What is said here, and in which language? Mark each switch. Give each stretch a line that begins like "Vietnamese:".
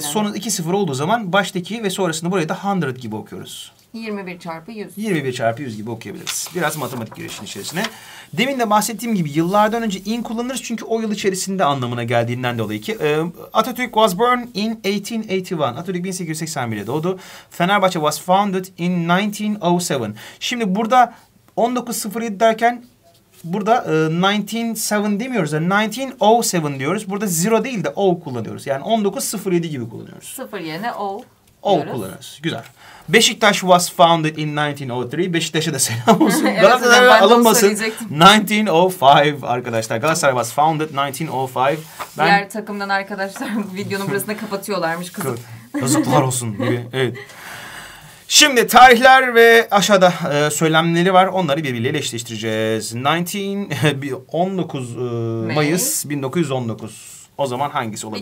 Turkish: Sonun 2-0 olduğu zaman baştaki ve sonrasını buraya da 100 gibi okuyoruz. 21 çarpı 100 gibi okuyabiliriz. Biraz matematik girişin içerisine. Demin de bahsettiğim gibi yıllardan önce in kullanırız çünkü o yıl içerisinde anlamına geldiğinden dolayı ki
English: Atatürk was born in 1881.
Turkish: Atatürk 1881'de doğdu.
English: Fenerbahçe was founded in 1907.
Turkish: Şimdi burada 1907 derken Burada 1907 demiyoruz da 1907 diyoruz. Burada zero değil de o kullanıyoruz. Yani 1907 gibi kullanıyoruz. Sıfır yerine o. O kullanıyoruz. Güzel.
English: Beşiktaş was founded in 1903.
Turkish: Beşiktaş'a da selam olsun. Galatasaray evet, alınmasın. 1905 arkadaşlar.
English: Galatasaray was founded 1905.
Turkish: Ben... Diğer takımdan arkadaşlar videonun burasında kapatıyorlarmış kızım. Yazıklar olsun gibi. Evet. Şimdi tarihler ve aşağıda söylemleri var. Onları birbiriyle eşleştireceğiz. 19 Mayıs 1919. O zaman hangisi olabilir